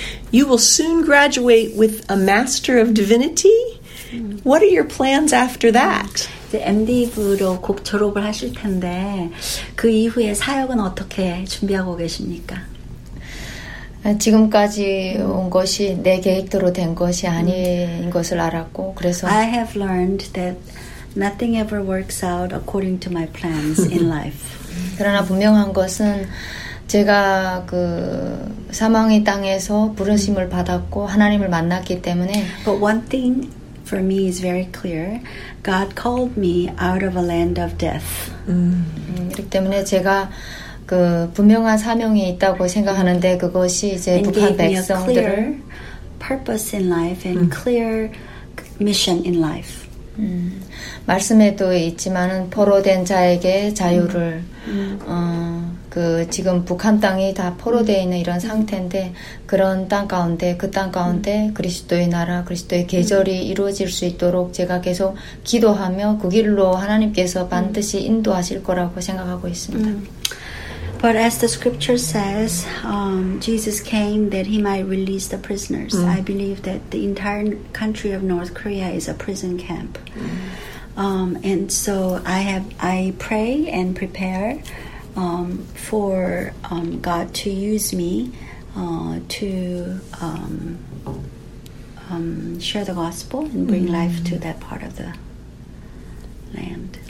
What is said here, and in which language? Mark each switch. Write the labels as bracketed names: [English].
[English] You will soon graduate with a Master of Divinity. What are your plans after that? [Korean] MD부로 곧 졸업을 하실 텐데 그 이후에 사역은 어떻게 준비하고 계십니까? 지금까지 온 것이 내 계획대로 된 것이 아닌 것을 알았고 그래서 [English] I have learned that nothing ever works out according to my plans in life. [Korean] 그러나 분명한 것은 제가 그 사망의 땅에서 부르심을 받았고 하나님을 만났기 때문에 [English] But one thing for me is very clear. God called me out of a land of death. [Korean] 그렇기 때문에 제가 그 분명한 사명이 있다고 생각하는데 그것이 이제 [English] And [Korean] 북한 백성들 [English] clear purpose in life and clear mission in life. [Korean] 말씀에도 있지만은 포로된 자에게 자유를 그 지금 북한 땅이 다 포로되어 있는 이런 상태인데 그런 땅 가운데 그 땅 가운데 그리스도의 나라 그리스도의 계절이 이루어질 수 있도록 제가 계속 기도하며 그 길로 하나님께서 반드시 인도하실 거라고 생각하고 있습니다. [English] But as the scripture says, Jesus came that he might release the prisoners. Mm. I believe that the entire country of North Korea is a prison camp. And so I pray and prepare for God to use me to share the gospel and bring life to that part of the land.